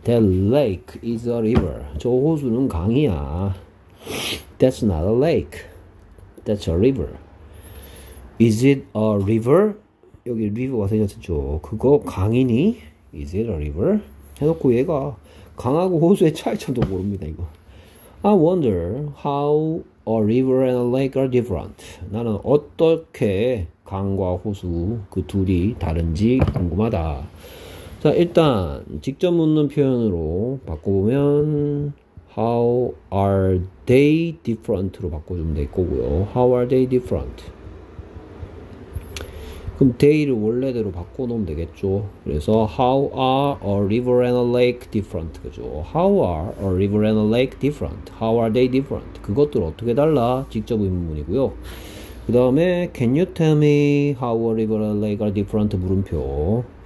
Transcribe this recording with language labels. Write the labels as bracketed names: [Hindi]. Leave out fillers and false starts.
[English] That lake is a river. [Korean] 저 호수는 강이야. [English] That's not a lake. That's a river. Is it a river? [Korean] 여기 river가 생겼죠. 그거 강이니? [English] Is it a river? [Korean] 해놓고 얘가 강하고 호수의 차이점도 모릅니다, 이거. [English] I wonder how a river and a lake are different. [Korean] 나는 어떻게 강과 호수 그 둘이 다른지 궁금하다. 자, 일단 직접 묻는 표현으로 바꿔보면 [English] How are they different [Korean] 로 바꿔주면 될 거고요. [English] How are they different? [Korean] 그럼 데이를 원래대로 바꿔놓으면 되겠죠. 그래서 [English] How are a river and a lake different? [Korean] 그죠? [English] How are a river and a lake different? How are they different? [Korean] 그것들 어떻게 달라? 직접 의문문이고요. 그 다음에 [English] Can you tell me how a river and a lake are different? [Korean] 물음표.